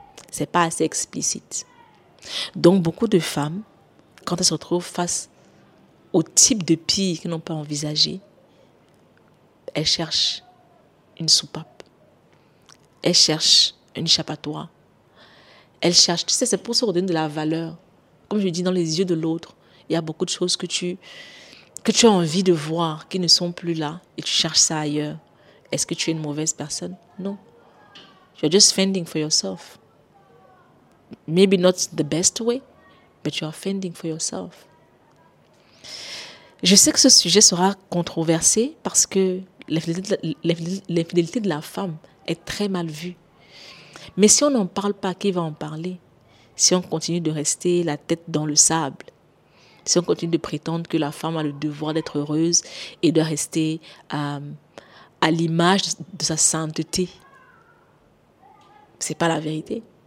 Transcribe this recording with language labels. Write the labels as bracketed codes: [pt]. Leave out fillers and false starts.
[fr] C'est pas assez explicite. Donc beaucoup de femmes, quand elles se retrouvent face au type de pire qu'elles n'ont pas envisagé, elles cherchent une soupape, elles cherchent un échappatoire, elles cherchent, tu sais, c'est pour se redonner de la valeur. Comme je dis, dans les yeux de l'autre, il y a beaucoup de choses que tu as envie de voir qui ne sont plus là et tu cherches ça ailleurs. Est-ce que tu es une mauvaise personne? Non. [en] You're just fending for yourself. Maybe not the best way, but you're fending for yourself. [fr] Je sais que ce sujet sera controversé parce que l'infidélité de la femme est très mal vue. Mais si on n'en parle pas, qui va en parler? Si on continue de rester la tête dans le sable, si on continue de prétendre que la femme a le devoir d'être heureuse et de rester à l'image de sa sainteté, ce n'est pas la vérité.